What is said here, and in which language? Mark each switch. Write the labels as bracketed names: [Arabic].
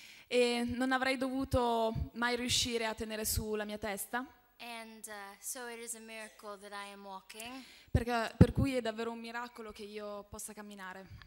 [Italian] E non avrei dovuto mai riuscire a tenere su la mia testa. [English] And so it is a miracle that I am walking. [Italian] Perché per cui è davvero un miracolo che io possa camminare.